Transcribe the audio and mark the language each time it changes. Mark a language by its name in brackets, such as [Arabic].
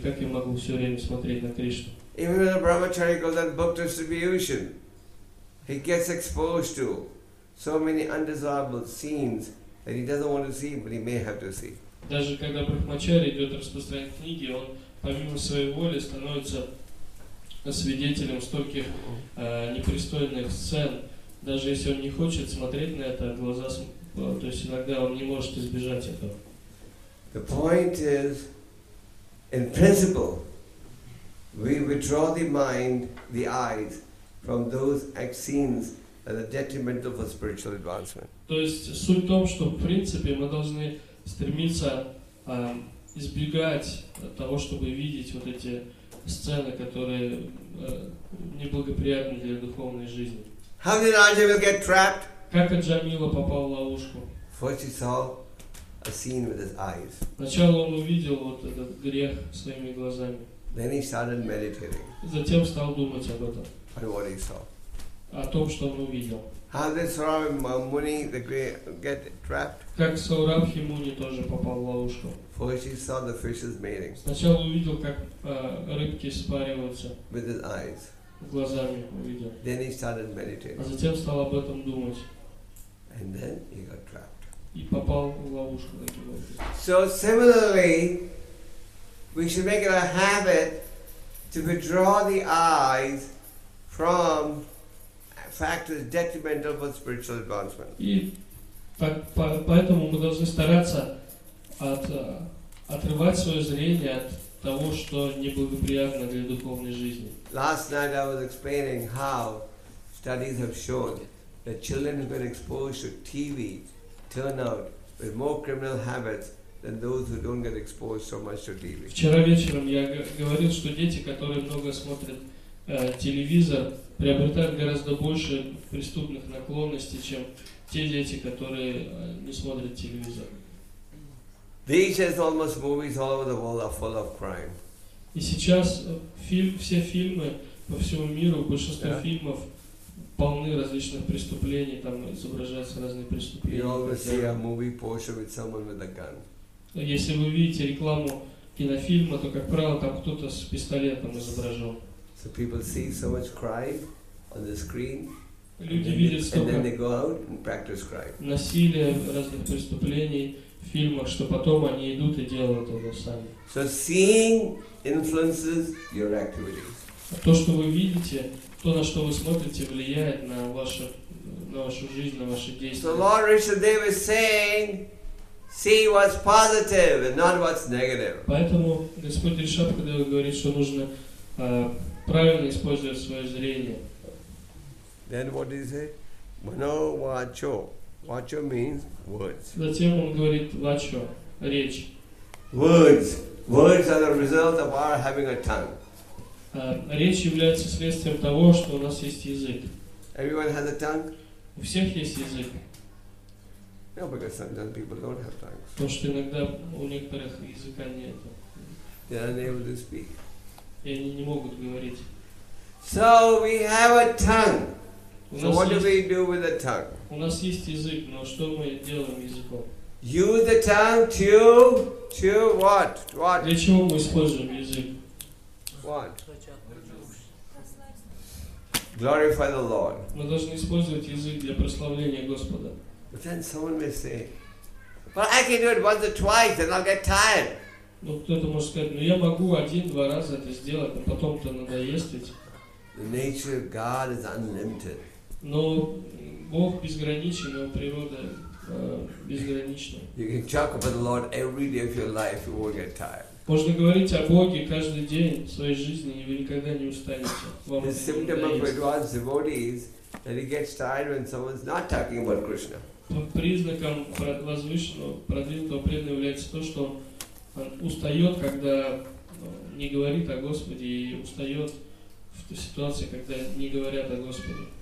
[Russian] Как я могу все время смотреть на Кришну? [English] Even when a brahmachari goes on book distribution, he gets exposed to so many undesirable scenes that he doesn't want to see, but he may have to see. [Russian] Даже когда брахмачари идет распространять книги, он помимо своей воли становится свидетелем стольких непристойных сцен. Даже если он не хочет смотреть на это, глаза, то есть иногда он не может избежать этого. [English] The point is, in principle, we withdraw the mind, the eyes, from those scenes that are detrimental for spiritual advancement. [Russian] То есть суть в том, что в принципе мы должны стремиться избегать того, чтобы видеть вот эти сцены, которые неблагоприятны для духовной жизни. [English] How did Анджамила get trapped? [Russian] Как Анджамила попал в ловушку? [English] First he saw a scene with his eyes. [Russian] Сначала он увидел вот этот грех своими глазами. [English] Then he started meditating. [Russian] Затем стал думать об этом. [English] And what he saw. [Russian] О том, что он увидел. [English] How did Saurabha Muni get trapped? [Russian] Как Саурабхи Муни тоже попал в ловушку? [English] First he saw the fishes mating. [Russian] Сначала увидел, как рыбки спариваются. [English] With his eyes. [Russian] Глазами увидел. [English] Then he started meditating. [Russian] А затем стал об этом думать. [English] And then he got trapped. [Russian] И попал в ловушку. [English] So similarly, we should make it a habit to withdraw the eyes from factors detrimental for spiritual advancement. [Russian] И так поэтому мы должны стараться отрывать свое зрение от того, что неблагоприятно для духовной жизни. [English] Last night I was explaining how studies have shown that children who've been exposed to TV turn out with more criminal habits than those who don't get exposed so much to TV. [Russian] Вчера вечером я говорил, что дети, которые много смотрят телевизор, приобретают гораздо больше преступных наклонностей, чем те дети, которые не смотрят телевизор. [English] These days, almost movies all over the world are full of crime. [Russian] И сейчас все фильмы по всему миру, большинство фильмов полны различных преступлений, там изображаются разные преступления. [English] You always see a movie poster with someone with a gun. [Russian] Если вы видите рекламу кинофильма, то, как правило, там кто-то с пистолетом изображен. [English] So people see so much crime on the screen. [Russian] Люди видят столько. [English] And then they go out and practice crime. [Russian] Насилие разных преступлений в фильмах, что потом они идут и делают это сами. [English] So seeing influences your activities. [Russian] То, что вы видите, то, на что вы смотрите, влияет на вашу жизнь, на ваши действия. [English] So Lord Rishadeva is saying, see what's positive and not what's negative. [Russian] Поэтому Господь Ришабхадева говорит, что нужно правильно использовать свое зрение. [English] Then what did he say? Mano vacho. Vacho means words. [Russian] Затем он говорит вачо, речь. [English] Words. Words are the result of our having a tongue. [Russian] Речь является следствием того, что у нас есть язык. [English] Everyone has a tongue? [Russian] У всех есть язык. [English] No, because sometimes people don't have tongues. [Russian] Потому что иногда у некоторых языка нет. [English] They are unable to speak. [Russian] И они не могут говорить. [English] So we have a tongue. So what do we do with the tongue? [Russian] У нас есть язык, но что мы делаем языком? [English] Use the tongue to what? What? [Russian] Для чего мы используем язык? [English] What? Glorify the Lord. [Russian] Мы должны использовать язык для прославления Господа. [English] But then someone may say, but I can do it once or twice and I'll get tired. [Russian] Ну кто-то может сказать, ну я могу один-два раза это сделать, но потом-то надоест ведь. [English] The nature of God is unlimited. [Russian] Но Бог безграничен, Его природа безгранична. [English] You can talk about the Lord every day of your life, you won't get tired. [Russian] Можно говорить о Боге каждый день своей жизни, и вы никогда не устанете. [English] The symptom of advanced devotees that he gets tired when someone's not talking about Krishna. [Russian] Признаком возвышенного, продвинутого преданного является то, что он устает, когда не говорит о Господе, и устает в той ситуации, когда не говорят о Господе.